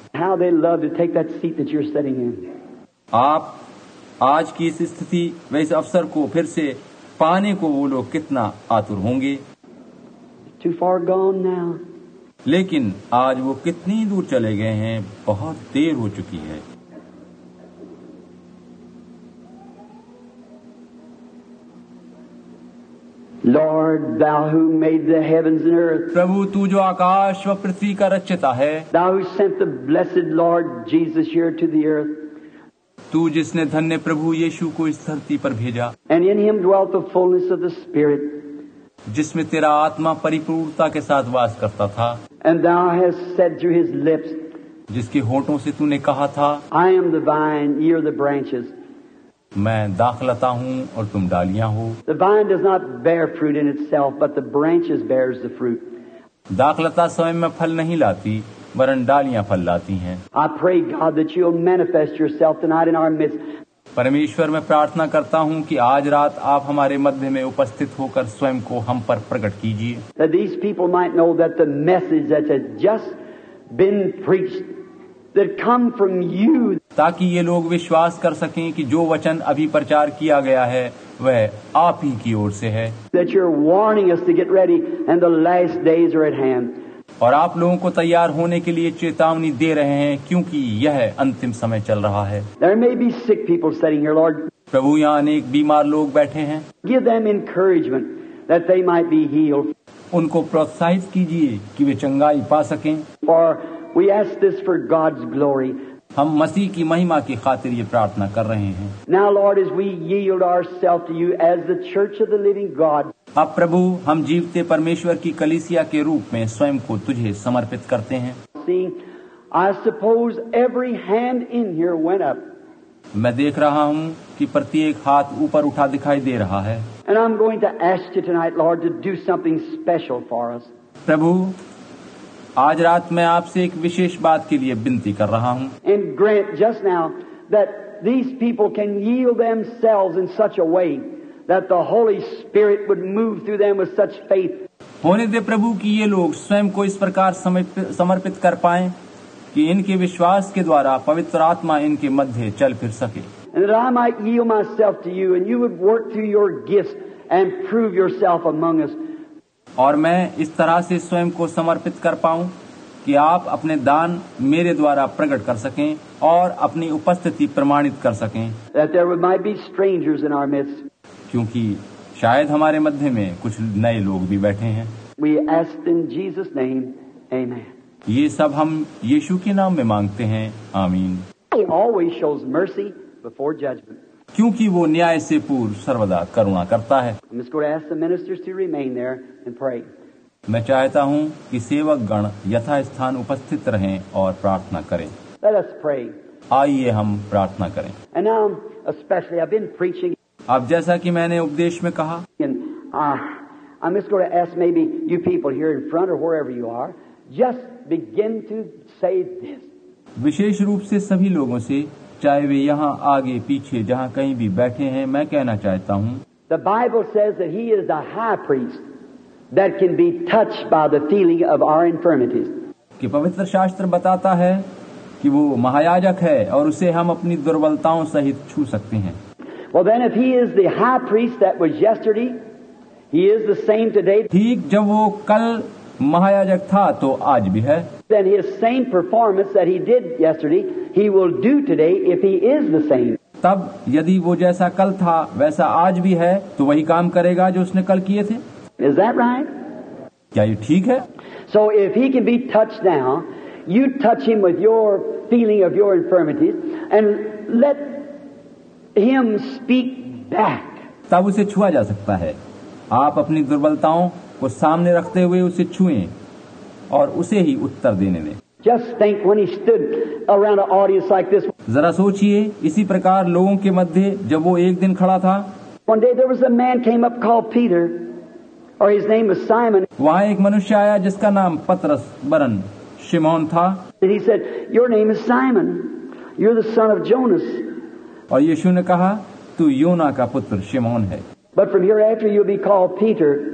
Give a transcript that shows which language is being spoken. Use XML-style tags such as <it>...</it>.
<en>How they love to take that seat that you're sitting in.</en> <hi>आप आज की इस स्थिति वे इस अवसर को फिर से पाने को वो लोग कितना आतुर होंगे.</hi> <en>Too far gone now.</en> <hi>लेकिन आज वो कितनी दूर चले गए हैं, बहुत देर हो चुकी है.</hi> <en>Lord, thou who made the heavens and earth.</en> <hi>प्रभु तू जो आकाश व पृथ्वी का रचयिता है.</hi> <en>Thou who sent the blessed Lord Jesus here to the earth.</en> <hi>तू जिसने धन्य प्रभु यीशु को इस धरती पर भेजा.</hi> <en>And in him dwelt the fullness of the Spirit.</en> <hi>जिसमें तेरा आत्मा परिपूर्णता के साथ वास करता था.</hi> <en>And thou hast said through his lips,</en> <hi>जिसके होठों से तूने कहा था,</hi> <en>I am the vine, ye are the branches.</en> <hi>मैं दाखलता हूँ और तुम डालियाँ हो.</hi> <en>The vine does not bear fruit in itself, but the branches bears the fruit.</en> <hi>दाखलता स्वयं में फल नहीं लाती, वरन डालियाँ फल लाती हैं.</hi> <en>I pray God that you'll manifest yourself tonight in our midst.</en> <hi>परमेश्वर मैं प्रार्थना करता हूँ कि आज रात आप हमारे मध्य में उपस्थित होकर स्वयं को हम पर प्रकट कीजिए.</hi> <en>That these people might know that the message that has just been preached that come from you.</en> <hi>ताकि ये लोग विश्वास कर सकें कि जो वचन अभी प्रचार किया गया है वह आप ही की ओर से है.</hi> <en>That you're warning us to get ready and the last days are at hand.</en> <hi>और आप लोगों को तैयार होने के लिए चेतावनी दे रहे हैं क्योंकि यह अंतिम समय चल रहा है.</hi> <en>There may be sick people sitting here, Lord.</en> <hi>प्रभु यहाँ अनेक बीमार लोग बैठे हैं.</hi> <en>Give them encouragement that they might be healed.</en> <hi>उनको प्रोत्साहित कीजिए कि वे चंगाई पा सकें.</hi> <en>For we ask this for God's glory.</en> <hi>हम मसीह की महिमा की खातिर ये प्रार्थना कर रहे हैं.</hi> <en>Now, Lord, as we yield ourselves to you as the church of the living God.</en> <hi>अब प्रभु हम जीवते परमेश्वर की कलीसिया के रूप में स्वयं को तुझे समर्पित करते हैं.</hi> <en>See, I suppose every hand in here went up.</en> <hi>मैं देख रहा हूँ कि प्रत्येक हाथ ऊपर उठा दिखाई दे रहा है.</hi> <en>And I'm going to ask you tonight, Lord, to do something special for us.</en> <hi>प्रभु आज रात मैं आपसे एक विशेष बात के लिए विनती कर रहा हूँ.</hi> <en>And grant just now that these people can yield themselves in such a way that the Holy Spirit would move through them with such faith.</en> <hi>होने दे प्रभु कि ये लोग स्वयं को इस प्रकार समर्पित कर पाएं कि इनके विश्वास के द्वारा पवित्र आत्मा इनके मध्य चल फिर सके.</hi> <en>And that I might yield myself to you and you would work through your gifts and prove yourself among us.</en> <hi>और मैं इस तरह से स्वयं को समर्पित कर पाऊं कि आप अपने दान मेरे द्वारा प्रकट कर सकें और अपनी उपस्थिति प्रमाणित कर सकें.</hi> <en>That there might be strangers in our midst.</en> <hi>क्योंकि शायद हमारे मध्य में कुछ नए लोग भी बैठे हैं.</hi> <en>We ask in Jesus' name, amen.</en> <hi>ये सब हम यीशु के नाम में मांगते हैं, आमीन.</hi> <en>He always shows mercy before judgment.</en> <hi>क्योंकि वो न्याय से पूर्व सर्वदा करुणा करता है.</hi> <en>I'm just going to ask the ministers to remain there and pray.</en> <hi>मैं चाहता हूँ कि सेवक गण यथास्थान उपस्थित रहें और प्रार्थना करें.</hi> <en>Let us pray.</en> <hi>आइए हम प्रार्थना करें.</hi> <en>And now, especially, I've been preaching.</en> <hi>अब जैसा कि मैंने उपदेश में कहा,</hi> <en>I'm just going to ask maybe you people here in front or wherever you are just begin to say this.</en> <hi>विशेष रूप से सभी लोगों से, चाहे वे यहाँ आगे पीछे जहाँ कहीं भी बैठे हैं, मैं कहना चाहता हूँ.</hi> <en>The Bible says that he is the high priest that can be touched by the feeling of our infirmities.</en> <hi>कि पवित्र शास्त्र बताता है कि वो महायाजक है और उसे हम अपनी दुर्बलताओं सहित छू सकते हैं.</hi> <en>Well, then if he is the high priest that was yesterday, he is the same today.</en> <hi>ठीक जब वो कल महायाजक था तो आज भी है.</hi> <en>Then his same performance that he did yesterday, he will do today if he is the same.</en> <hi>तब यदि वो जैसा कल था वैसा आज भी है तो वही काम करेगा जो उसने कल किए थे.</hi> <en>Is that right?</en> <hi>क्या ये ठीक है?</hi> <en>So if he can be touched now, you touch him with your feeling of your infirmities and let him speak back.</en> <hi>तब उसे छुआ जा सकता है. आप अपनी दुर्बलताओं को सामने रखते हुए उसे छुएं और उसे ही उत्तर देने दें.</hi> <en>Just think when he stood around an audience like this.</en> <hi>जरा सोचिए इसी प्रकार लोगों के मध्य जब वो एक दिन खड़ा था.</hi> <en>One day there was a man came up called Peter, or his name was Simon.</en> <hi>वहाँ एक मनुष्य आया जिसका नाम पतरस बरन शिमोन था.</hi> <en>And he said, "Your name is Simon. You're the son of Jonas."</en> <hi>और यीशु ने कहा, तू योना का पुत्र शिमोन है.</hi> <en>But from hereafter you'll be called Peter.</en>